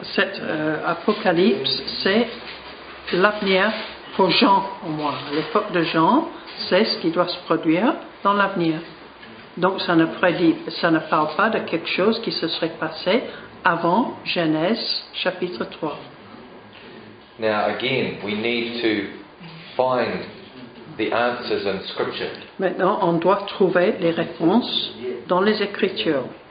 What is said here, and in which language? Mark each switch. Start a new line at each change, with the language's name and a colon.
French: Cet apocalypse, c'est l'avenir pour Jean, au moins. L'époque de Jean, c'est ce qui doit se produire dans l'avenir. Donc ça ne prédit, ça ne parle pas de quelque chose qui se serait passé avant Genèse chapitre 3.
English: Now again, we need to find the answers in Scripture.
French: Maintenant, on doit trouver les réponses dans les Écritures.